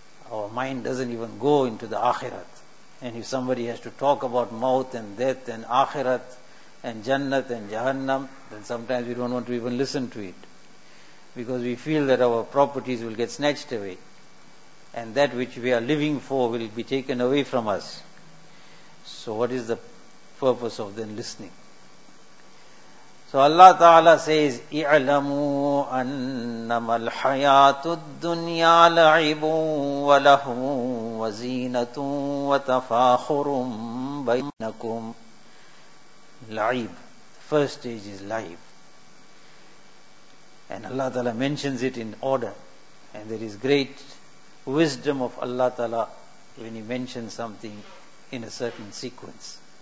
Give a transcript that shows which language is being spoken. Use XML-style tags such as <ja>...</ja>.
<en>Our mind doesn't even go into the akhirat. And if somebody has to talk about mouth and death and akhirat and jannat and jahannam, then sometimes we don't want to even listen to it. Because we feel that our properties will get snatched away. And that which we are living for will be taken away from us. So what is the purpose of then listening? So Allah Ta'ala says,</en> <ar>اِعْلَمُوا أَنَّمَا الْحَيَاةُ الدُّنْيَا لَعِبٌ وَلَهْوٌ وَزِينَةٌ وَتَفَاخُرٌ بَيْنَكُمْ لَعِبٌ.</ar> <en>First stage is لَعِب. And Allah Ta'ala mentions it in order. And there is great wisdom of Allah Ta'ala when he mentions something in a certain sequence.</en>